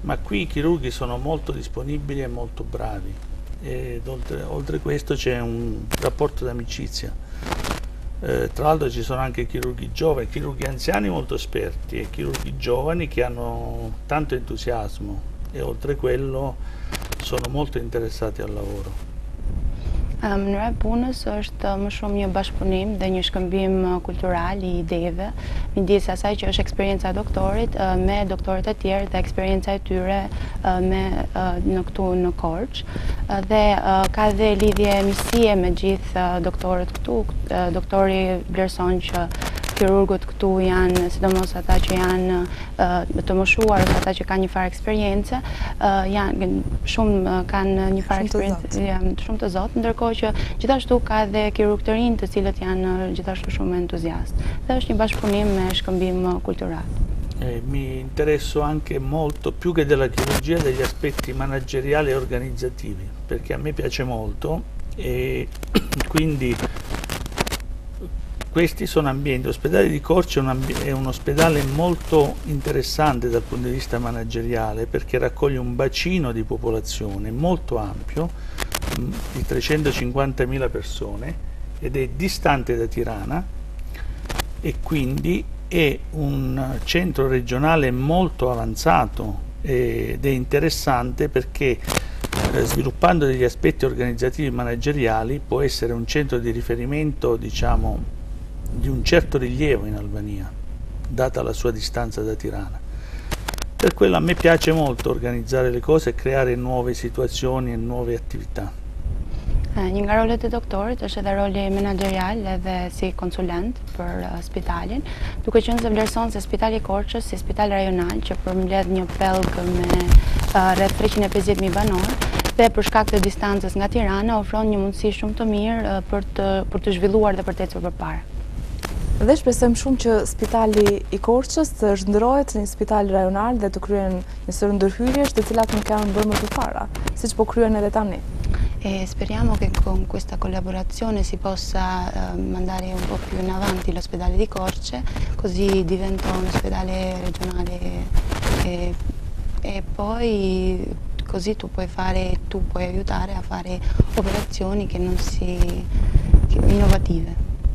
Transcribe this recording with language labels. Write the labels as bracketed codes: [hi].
[it] Ma qui i chirurghi sono molto disponibili e molto bravi. E oltre questo c'è un rapporto d'amicizia. Tra l'altro ci sono anche chirurghi giovani, chirurghi anziani molto esperti e chirurghi giovani che hanno tanto entusiasmo e oltre quello sono molto interessati al lavoro. [sq] Mënyra e punës është më shumë një bashkëpunim dhe një shkëmbim kultural i ideve, midis asaj që është eksperjenca e doktorit me doktorët e tjerë dhe eksperjenca e tyre në këtu në Korçë. Dhe ka dhe lidhje miqësie me gjithë doktorët këtu. Doktori vlerëson që kirurgët këtu janë, sidomos ata që janë të moshuar ose ata që kanë një farë eksperiencë, janë shumë, kanë një farë Shumë të eksperiencë, zotë. janë shumë të zotë, ndërkohë që gjithashtu ka dhe kirurgë të rinë të cilët janë gjithashtu shumë entuziastë. Dhe është një bashkëpunim me shkëmbim kulturalë. [it] Mi interesso anche molto, più che della chirurgia, degli aspetti manageriali e organizzativi, perché a me piace molto e quindi questi sono ambienti. L'ospedale di Corce è un ospedale molto interessante dal punto di vista manageriale perché raccoglie un bacino di popolazione molto ampio, di 350.000 persone, ed è distante da Tirana e quindi è un centro regionale molto avanzato ed è interessante perché sviluppando degli aspetti organizzativi e manageriali può essere un centro di riferimento, diciamo, di un certo rilievo in Albania, data la sua distanza da Tirana. Per quello a me piace molto organizzare le cose e creare nuove situazioni e nuove attività. [sq] Një nga rolet e doktorit është edhe roli menaxherial edhe si konsulent për spitalin, duke qenë se vlerëson se Spitali Korçës si spital rajonal që përmbledh një pellg me rreth 350.000 banorë dhe për shkak të distancës nga Tirana ofron një mundësi shumë të mirë për të zhvilluar dhe për të ecur përpara. Dhe shpresojmë shumë që spitali i Korçës të zhndërohet në një spital rajonal dhe të kryen njësër ndërhyrjesht të cilat nuk kanë bërë më të para, siç po kryen edhe tani. [it] E speriamo che con questa collaborazione si possa mandare un po' più in avanti l'ospedale di Corce, così diventa un ospedale regionale e poi così tu puoi aiutare a fare operazioni che non si innovative.